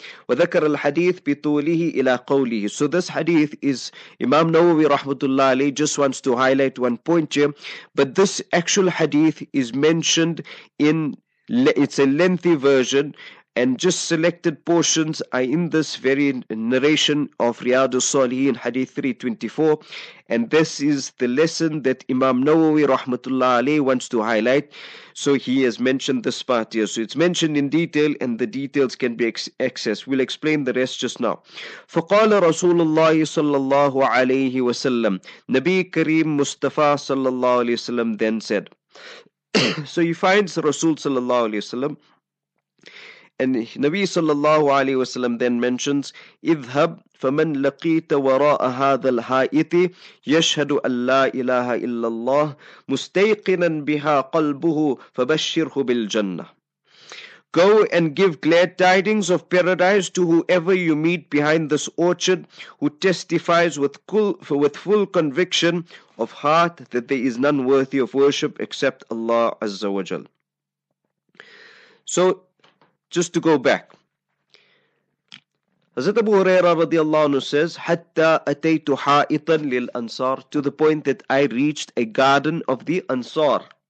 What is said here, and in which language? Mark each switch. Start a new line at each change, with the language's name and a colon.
Arabic: وذكر الحديث بطوله إلى قوله.
English: So this hadith is Imam Nawawi rahmatullah alayhi just wants to highlight one point here, but this actual hadith is mentioned in, it's a lengthy version, and just selected portions are in this very narration of Riyadu Salihin hadith 324. And this is the lesson that Imam Nawawi rahmatullah alayhi wants to highlight. So he has mentioned this part here. So it's mentioned in detail, and the details can be accessed. We'll explain the rest just now.
Arabic: فَقَالَ رَسُولُ اللَّهِ صَلَّى اللَّهُ عَلَيْهِ وَسَلَّمُ
English: Nabi Kareem Mustafa صَلَّى اللَّهُ عَلَيْهِ وَسَلَّمُ then said. So he finds Rasul صَلَّى اللَّهُ عَلَيْهِ وَسَلَّمُ. And Nabi sallallahu alayhi wasallam then mentions,
Arabic: اذهب فمن لقيت وراء هذا الحائط يشهد أن لا إله إلا الله مستيقنا بها قلبه فبشره بالجنة.
English: Go and give glad tidings of paradise to whoever you meet behind this orchard who testifies with full conviction of heart that there is none worthy of worship except Allah Azza wa Jal. So, just to go back, Hazrat Abu Huraira radiallahu anhu says,
Arabic: "Hatta ataytu ha'itan lil ansar,"
English: to the point that I reached a garden of the ansar.